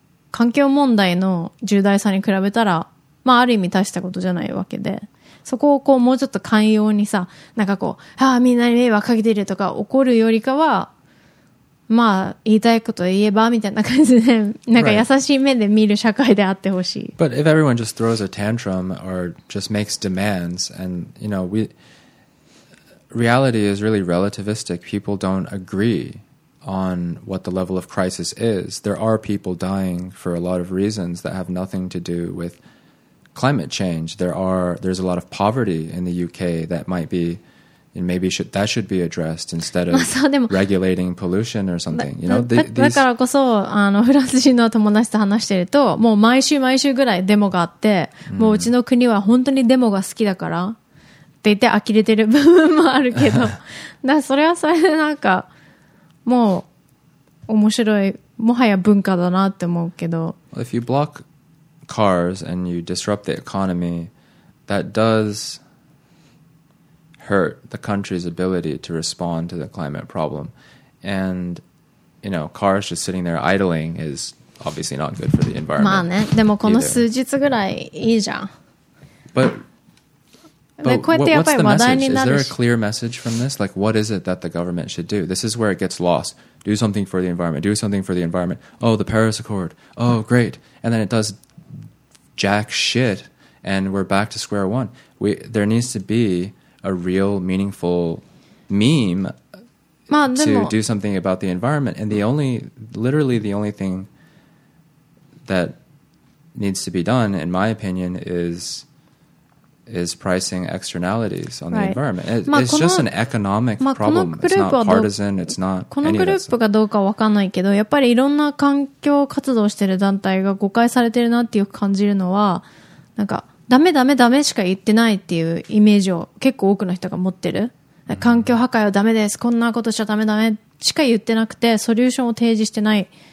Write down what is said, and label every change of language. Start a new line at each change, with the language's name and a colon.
Japanese: 環境問題の重大さに比べたら、まあある意味大したことじゃないわけで、そこをこうもうちょっと寛容にさ、なんかこう、ああみんなに迷惑かけてるとか怒るよりかは、まあ言いたいこと言えばみたいな感じで、なんか優しい目で見る社会であってほしい。
English: Right. But if everyone just throws a tantrum or just makes demands, and you know, we... Reality is really relativistic. People don't agree on what the level of crisis is. There are people dying for a lot of reasons that have nothing to do with climate change. There's a lot of poverty in the UK that might be, and maybe should, that should be addressed instead of regulating pollution or something. You know,
Japanese: だからこそ、あの、フランス人の友達と話してると、もう毎週毎週ぐらいデモがあって、もううちの国は本当にデモが好きだから、って言って呆れてる部分もあるけど、だからそれはそれでなんかもう面白い、もはや文化だなって思うけど。
English: Well, if you block cars and you disrupt the economy, that does hurt the country's ability to respond to the climate problem. And you know, cars just sitting there idling is obviously not good for the environment.
Japanese: まあね、でもこの数日ぐらいいいじゃん。
English: But,But what's the message? Is there a clear message from this? Like, what is it that the government should do? This is where it gets lost. Do something for the environment. Do something for the environment. Oh, the Paris Accord. Oh, great. And then it does jack shit, and we're back to square one. There needs to be a real meaningful meme to do something about the environment. And literally the only thing that needs to be done, in my opinion, is pricing externalities on the environment. It's just an economic problem. It's not partisan. It's not any of this.
Japanese: このグループがどうかわかんないけど、やっぱりいろんな環境活動してる団体が誤解されてるなってよく感じるのは、なんか、ダメダメダメしか言ってないっていうイメージを結構多くの人が持ってる。環境破壊はダメです。こんなことしちゃダメダメしか言ってなくて、ソリューションを提示してない。